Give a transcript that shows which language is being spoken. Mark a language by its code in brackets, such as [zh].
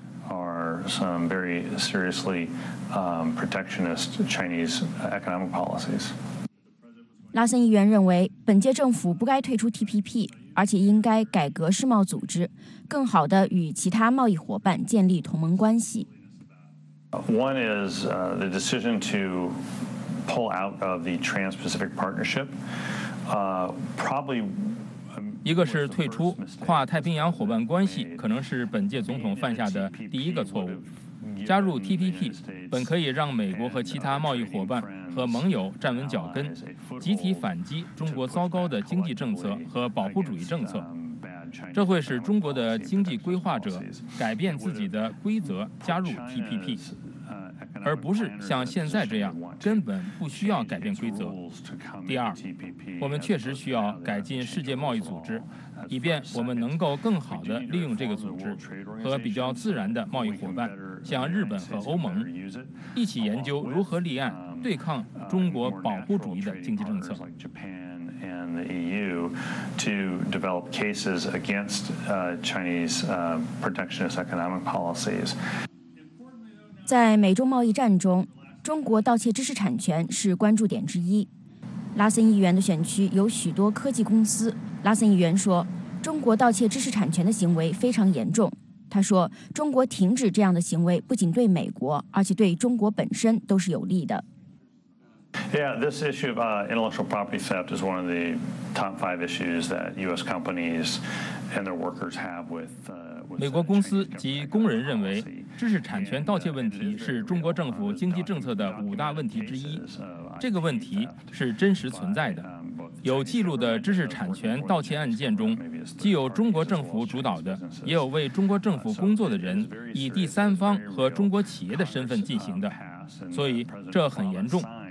[en] Are some very seriously protectionist Chinese economic policies. [zh] 拉森议员认为，本届政府不该退出 TPP， 而且应该改革世贸组织，更好地与其他贸易伙伴建立同盟关系。 [en] One is the decision to pull out of the Trans-Pacific Partnership. Probably. [zh] 一个是退出跨太平洋伙伴关系，可能是本届总统犯下的第一个错误。加入 TPP 本可以让美国和其他贸易伙伴和盟友站稳脚跟，集体反击中国糟糕的经济政策和保护主义政策。这会使中国的经济规划者改变自己的规则加入 TPP， 而不是像现在这样根本不需要改变规则。第二，我们确实需要改进世界贸易组织，以便我们能够更好地利用这个组织和比较自然的贸易伙伴，像日本和欧盟，一起研究如何立案对抗中国保护主义的经济政策。 [en] And the EU to develop cases against Chinese protectionist economic policies. [zh] 在美中贸易战中，中国盗窃知识产权是关注点之一。拉森议员的选区有许多科技公司。拉森议员说，中国盗窃知识产权的行为非常严重。他说，中国停止这样的行为不仅对美国，而且对中国本身都是有利的。 [en] Yeah, this issue of intellectual property theft is one of the top five issues that U.S. companies and their workers have with. [zh] 美国公司及工人认为，知识产权盗窃问题是中国政府经济政策的五大问题之一。这个问题是真实存在的。有记录的知识产权盗窃案件中，既有中国政府主导的，也有为中国政府工作的人以第三方和中国企业的身份进行的，所以这很严重。